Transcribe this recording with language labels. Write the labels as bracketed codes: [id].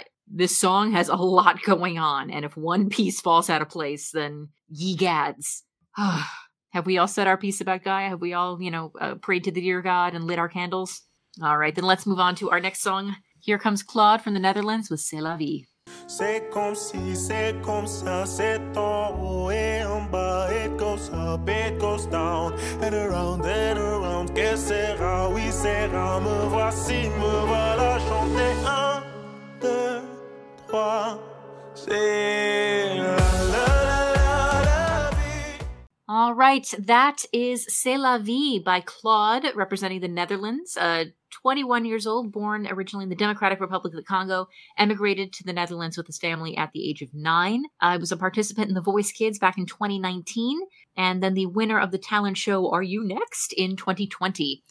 [en] This song has a lot going on, and if one piece falls out of place, then ye gads. Have we all said our piece about Gaia? Have we all, you know, prayed to the dear God and lit our candles? All right, then let's move on to our next song. Here comes Claude from the Netherlands with C'est la vie. [fr] C'est comme si, c'est comme ça, c'est en haut et en bas, [en] it goes up, it goes down, and around, [fr] que sera, oui sera, me voici, me voilà, chanter, un, deux, trois, c'est la la la la la vie. All [en] All right, that is C'est la vie by Claude, representing the Netherlands. 21 years old, born originally in the Democratic Republic of the Congo, emigrated to the Netherlands with his family at the age of 9. I was a participant in The Voice Kids back in 2019, and then the winner of the talent show Are You Next in 2020.